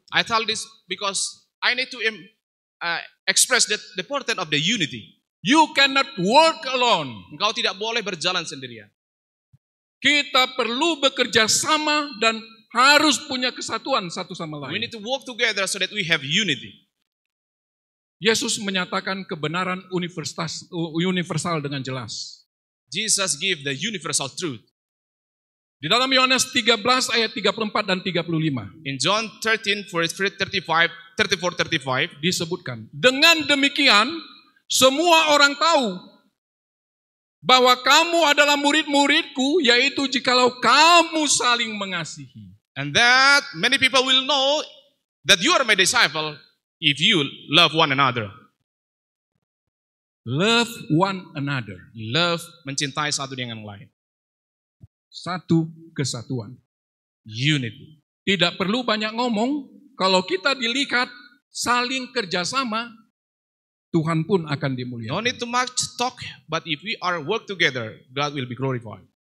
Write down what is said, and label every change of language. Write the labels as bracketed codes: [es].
[en] I tell this because I need to express that the importance of the unity. You cannot walk alone. [id] Engkau tidak boleh berjalan sendirian. Kita perlu bekerja sama dan harus punya kesatuan satu sama lain. [en] We need to work together so that we have unity. [id] Yesus menyatakan kebenaran universal dengan jelas. [en] Jesus gave the universal truth. [id] Di dalam Yohanes 13 ayat 34 dan 35. [en] In John 13 verse 34-35 [id] disebutkan, dengan demikian semua orang tahu bahwa kamu adalah murid-muridku, yaitu jikalau kamu saling mengasihi. [en] And that many people will know that you are my disciple if you love one another. Love one another. [id] Love, mencintai satu dengan yang lain. Satu kesatuan. [en] Unity. [id] Tidak perlu banyak ngomong, kalau kita dilihat saling kerjasama, Tuhan pun akan dimuliakan. [en] No need to much talk, but if we are work together, God will be glorified.